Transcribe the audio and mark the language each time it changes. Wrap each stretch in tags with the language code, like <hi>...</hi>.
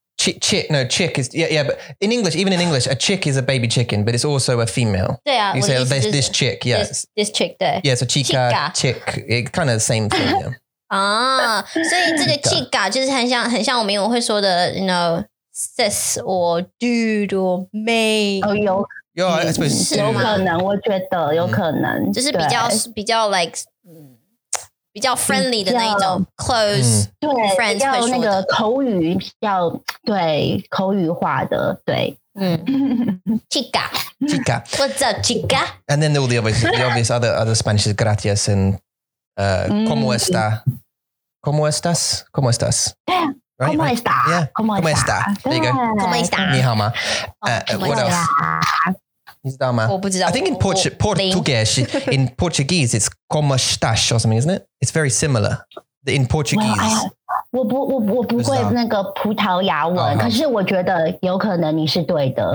<en>Chick is yeah, but in English, even in English, a chick is a baby chicken, but it's also a female. Yeah, you say oh, this chick, yes, this chick, there. Yeah, so chica, chick, it kind of the same thing. Ah, so this chica is like you know, sis or dude or mate. Oh, yo. Yeah, I suppose.</en> <zh>有可能，我觉得有可能，就是比较 like. 比较 friendly 的那一种</zh> <en>close friends</en> <zh>会说的，要那个口语，要对口语化的，对。</zh> <es>Chica, chica,</es> <en>what's up, chica? And then all the obvious other Spanish is</en> <es>gracias and cómo está, cómo estás,</es> <en>cómo estás.</en> <es>Right? Como esta?</es> <en>Yeah.</en> <es>Como</es> <en>esta? There you go.</en> <es>Como esta?</es> <zh>你好吗?</zh> <en>What else?</en> <zh>你知道吗? 我不知道。</zh> <en>I think in Portuguese, in Portuguese, it's</en> <pt>como estas</pt> <en>or something, isn't it? It's very similar in Portuguese. Well,</en> <zh>我不会那个葡萄牙文，可是我觉得有可能你是对的。</zh>